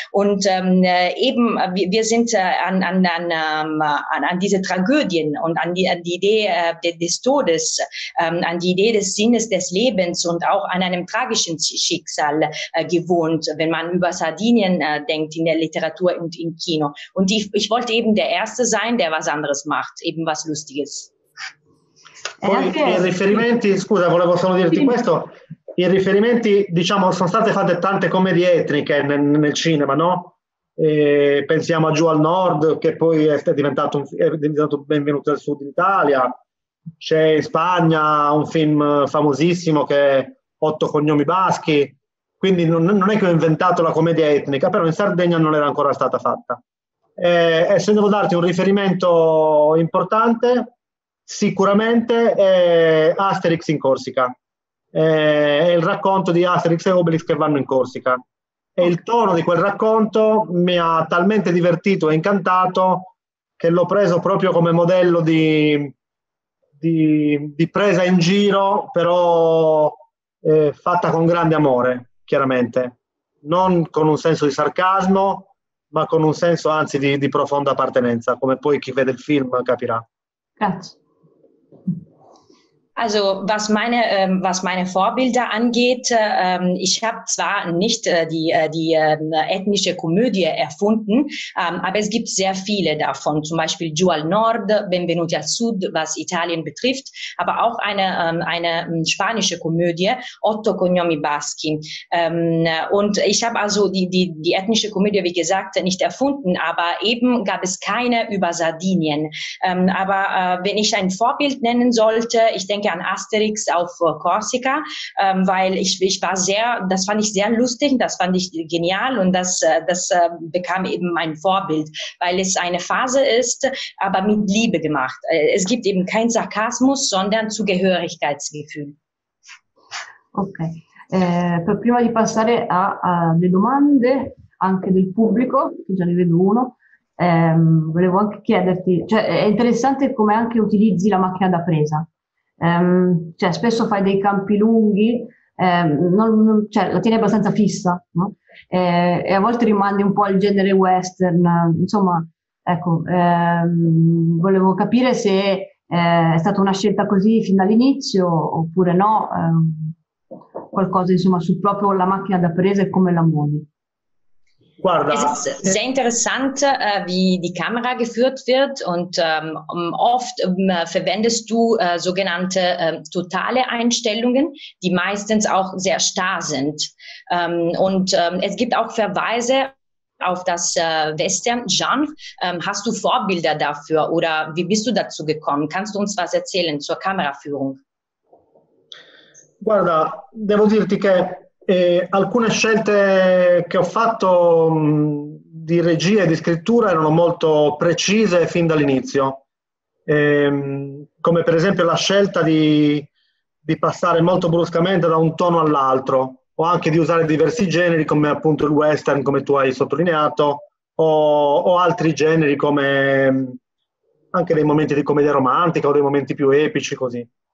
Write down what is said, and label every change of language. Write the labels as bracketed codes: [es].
[de] Und eben wir sind an diese Tragödien und an die Idee des Todes, an die Idee des Sinnes des Lebens und auch an einem tragischen Schicksal gewohnt, wenn man über Sardinien denkt in der Literatur und im Kino. Und ich wollte eben der Erste sein, der was anderes macht, eben was Lustiges. [it] Poi i riferimenti, scusa, volevo solo dirti questo, i riferimenti, diciamo, sono state fatte tante commedie etniche nel cinema, no? E pensiamo a Giù al Nord, che poi è diventato Benvenuto al Sud in Italia, c'è in Spagna un film famosissimo che è Otto cognomi baschi, quindi non è che ho inventato la commedia etnica, però in Sardegna non era ancora stata fatta. E se devo darti un riferimento importante... Sicuramente Asterix in Corsica, è il racconto di Asterix e Obelix che vanno in Corsica, e il tono di quel racconto mi ha talmente divertito e incantato che l'ho preso proprio come modello di presa in giro, però fatta con grande amore, chiaramente, non con un senso di sarcasmo, ma con un senso anzi di profonda appartenenza, come poi chi vede il film capirà. Grazie. [de] Also was meine Vorbilder angeht, ich habe zwar nicht die ethnische Komödie erfunden, aber es gibt sehr viele davon, zum Beispiel Giù al Nord, Benvenuti al Sud, was Italien betrifft, aber auch eine spanische Komödie, Otto cognomi baschi. Und ich habe also die ethnische Komödie, wie gesagt, nicht erfunden, aber eben gab es keine über Sardinien. Aber wenn ich ein Vorbild nennen sollte, ich denke an Asterix auf Korsika, weil ich war sehr, das fand ich sehr lustig, das fand ich genial und das bekam eben mein Vorbild, weil es eine Phase ist, aber mit Liebe gemacht. Es gibt eben keinen Sarkasmus, sondern Zugehörigkeitsgefühl. Okay. [it] Prima di passare alle domande anche del pubblico, che già ne vedo uno, volevo anche chiederti, cioè è interessante come anche utilizzi la macchina da presa. Cioè spesso fai dei campi lunghi, non, cioè, la tieni abbastanza fissa, no? E a volte rimandi un po' al genere western, insomma, ecco, volevo capire se è stata una scelta così fin dall'inizio oppure no, qualcosa insomma su proprio la macchina da presa e come la muovi. Guarda. [de] Es ist sehr interessant, wie die Kamera geführt wird und oft verwendest du sogenannte totale Einstellungen, die meistens auch sehr starr sind. Und es gibt auch Verweise auf das Western-Genre. Hast du Vorbilder dafür oder wie bist du dazu gekommen? Kannst du uns was erzählen zur Kameraführung? [it] Guarda, devo dirti che alcune scelte che ho fatto di regia e di scrittura erano molto precise fin dall'inizio, come per esempio la scelta di passare molto bruscamente da un tono all'altro, o anche di usare diversi generi come appunto il western, come tu hai sottolineato, o altri generi come anche dei momenti di commedia romantica o dei momenti più epici così.